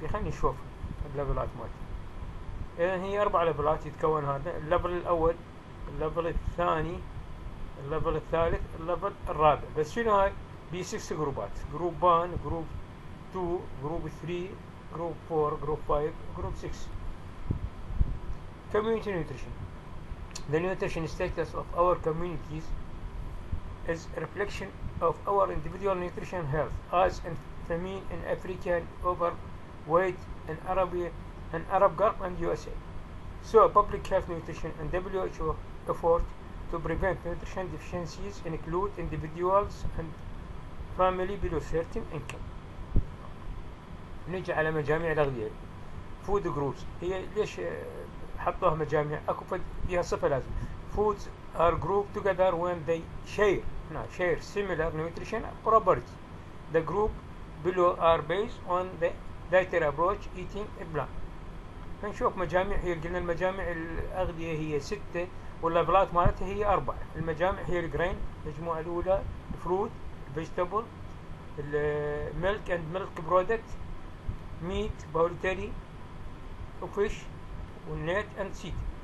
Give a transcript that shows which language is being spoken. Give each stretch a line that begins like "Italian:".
Arabic: خليني اشوف اللفلات مالتي، اذا هي اربع لفلات يتكون هذا، الليفل الاول، الليفل الثاني، الليفل الثالث، الليفل الرابع. بس شنو هاي؟ بي 6 جروبات، جروب 1، جروب 2، جروب 3، جروب 4، جروب 5، جروب 6.
English: Community nutrition. The nutrition status of our communities is a reflection of our individual nutrition health. As in famine in Africa, overweight in Arab Gulf and USA. So public health nutrition and WHO effort to prevent nutrition deficiencies include individuals and family below certain income.
Arabic: نجي على مجاميع الأغذية.
English: Food groups.
Arabic: هي ليش حطوها مجاميع؟ اكو فيها صفه لازم.
English: Foods are grouped together when they share. No, share similar nutrition properties. The group below are based on the dietary approach eating a plan.
Arabic: فنشوف مجاميع، هي قلنا المجاميع الاغذيه هي سته واللفلات مالتها هي اربعه. المجاميع هي الجرين، المجموعه الاولى الفروت، الفيجيتابل، الميلك اند ميلك برودكت، ميت، بولتري، وفيش، والنيت اند سيت.